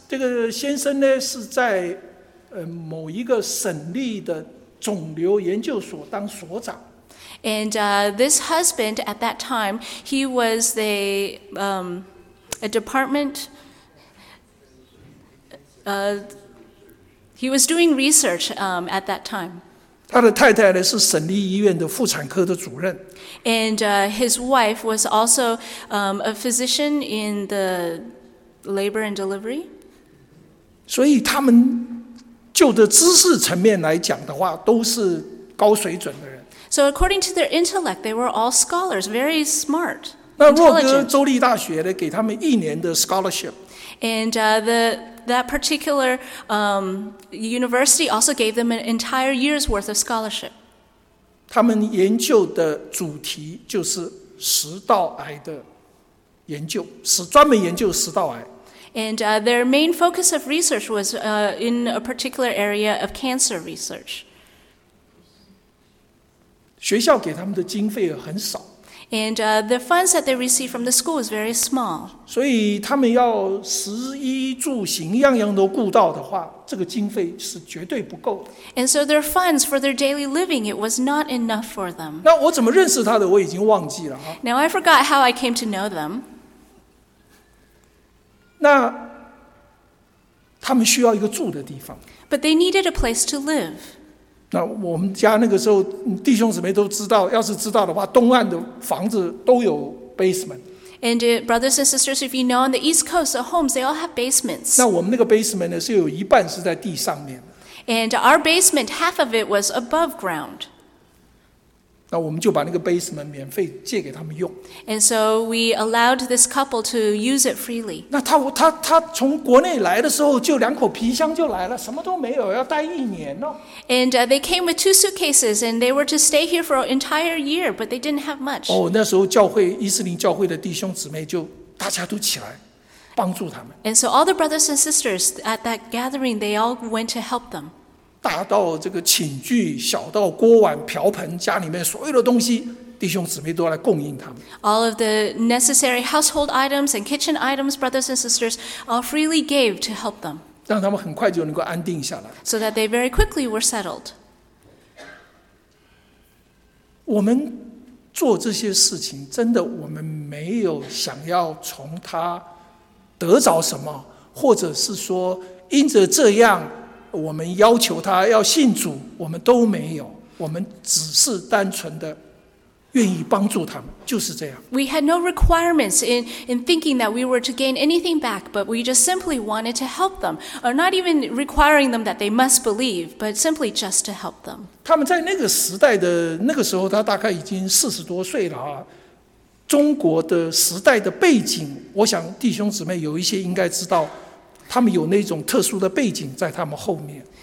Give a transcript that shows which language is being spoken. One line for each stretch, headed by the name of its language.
Chinese: 这个先生呢是在某一个省立的肿瘤研究所当所长。
English: And this husband at that time, he was the a department. He was doing research at that time.
Chinese: 他的太太呢是省立医院的妇产科的主任。
English: And his wife was also a physician in the labor and delivery.
Chinese: 所以他们就的知识层面来讲的话，都是高水准的人。
English: So according to their intellect, they were all scholars, very smart.
Chinese: 那洛哥州立大学呢，给他们一年的 scholarship.
English: And that particular university also gave them an entire year's worth of scholarship.
Chinese: 他们研究的主题就是食道癌的研究，是专门研究食道癌。
English: And their main focus of research was in a particular area of cancer research.
Chinese: 学校给他们的经费很少。
English: And the funds that they receive from the school is very small.
Chinese: 所以他们要食衣住行样样都顾到的话，这个经费是绝对不够的。
English: And so their funds for their daily living, it was not enough for them.
Chinese: 那我怎么认识他的？我已经忘记了啊。
English: Now I forgot how I came to know them.
Chinese: 那他们需要一个住的地方。
English: But they needed a place to live.
Chinese: 那我们家那个时候弟兄姊妹都知道，要是知道的话，东岸的房子都有 basement。
English: And brothers and sisters, if you know on the east coast, the homes, they all have basements.
Chinese: 那我们那个 basement 呢，是有一半是在地上面的。
English: And our basement, half of it was above ground.
Chinese: 那我们就把那个 basement 免费借给他们用。
English: And so we allowed this couple to use it freely.
Chinese: 那 他从国内来的时候就两口皮箱就来了，什么都没有，要待一年哦。
English: And they came with two suitcases, and they were to stay here for an entire year, but they didn't have much.
Chinese: 哦，那时候教会伊斯林教会的弟兄姊妹就大家都起来帮助他们。
English: And so all the brothers and sisters at that gathering, they all went to help them.
Chinese: 大到这个寝具，小到锅碗瓢盆，家里面所有的东西，弟兄姊妹都来供应他们。
English: All of the necessary household items and kitchen items, brothers and sisters all freely gave to help them.
Chinese: 让他们很快就能够安定下来。
English: So that they very quickly were settled.
Chinese: 我们做这些事情，真的我们没有想要从他得着什么，或者是说因着这样，我们要求他要信主，我们都没有，我们只是单纯的愿意帮助他们，就是这样。
English: We had no requirements in thinking that we were to gain anything back, but we just simply wanted to help them, or not even requiring them that they must believe, but simply just to help them.
Chinese: 他们在那个时代的那个时候，他大概已经四十多岁了啊。中国的时代的背景，我想弟兄姊妹有一些应该知道，他们有那种特殊的背景在他们后面。